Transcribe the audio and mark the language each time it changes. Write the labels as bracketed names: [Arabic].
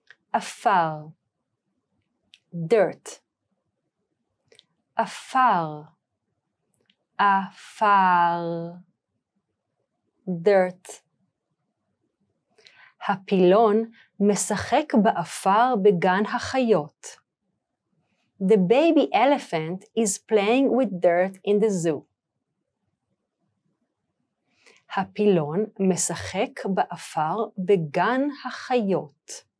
[Hebrew] אפר. Dirt. אפר. אפר. Dirt. הפילון משחק באפר בגן החיות. [English] The baby elephant is playing with dirt in the zoo. [Hebrew] הפילון משחק באפר בגן החיות.